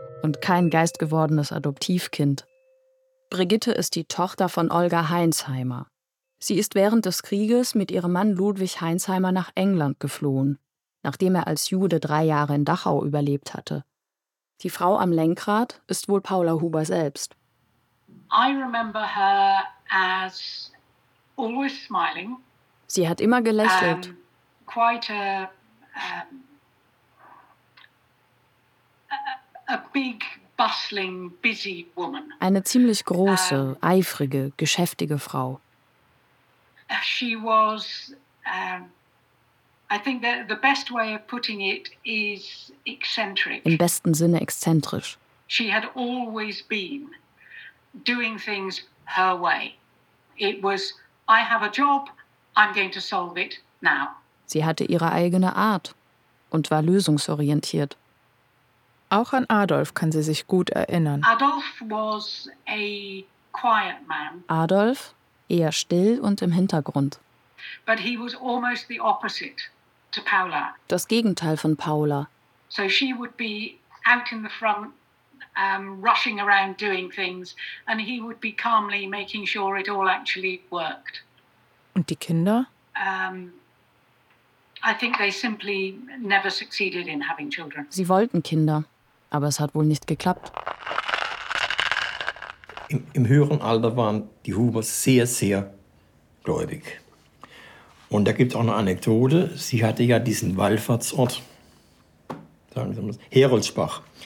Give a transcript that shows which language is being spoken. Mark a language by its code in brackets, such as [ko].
[de] Und kein geistgewordenes Adoptivkind. Brigitte ist die Tochter von Olga Heinzheimer. Sie ist während des Krieges mit ihrem Mann Ludwig Heinzheimer nach England geflohen, nachdem er als Jude 3 Jahre in Dachau überlebt hatte. Die Frau am Lenkrad ist wohl Paula Huber selbst. [en] I remember her as always smiling. [de] Sie hat immer gelächelt. [en] Big, bustling, busy woman. [de] Eine ziemlich große, eifrige, geschäftige Frau. [en] She was, I think the best way of putting it is eccentric. [de] Im besten Sinne exzentrisch. [en] She had always been doing things her way. It was, I have a job, I'm going to solve it now. [de] Sie hatte ihre eigene Art und war lösungsorientiert. Auch an Adolf kann sie sich gut erinnern. [en] Adolf was a quiet man. [de] Adolf, eher still und im Hintergrund. [en] But he was almost the opposite to Paula. [de] Das Gegenteil von Paula. [en] So she would be out in the front, rushing around doing things, and he would be calmly making sure it all actually worked. [de] Und die Kinder? [en] I think they simply never succeeded in having children. [de] Sie wollten Kinder, aber es hat wohl nicht geklappt. Im höheren Alter waren die Hubers sehr, sehr gläubig. Und da gibt es auch eine Anekdote. Sie hatte ja diesen Wallfahrtsort, sagen Sie mal, Heroldsbach.